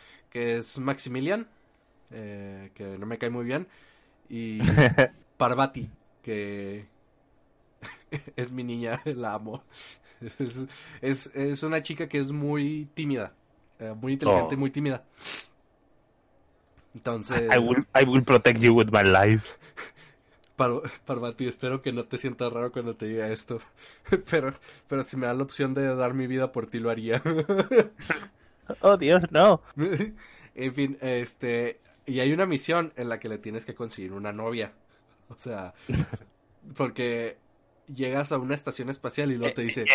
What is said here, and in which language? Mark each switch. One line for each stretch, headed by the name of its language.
Spanish: Que es Maximilian. Que no me cae muy bien. Y Parvati. Que es mi niña. La amo. Es una chica que es muy tímida, muy inteligente y Oh. muy tímida. Entonces,
English: I will protect you with my life.
Spanish: Parvati, espero que no te sientas raro cuando te diga esto, pero si me da la opción de dar mi vida por ti, lo haría. Oh, Dios, no. En fin, y hay una misión en la que le tienes que conseguir una novia. O sea, porque llegas a una estación espacial y luego te dice.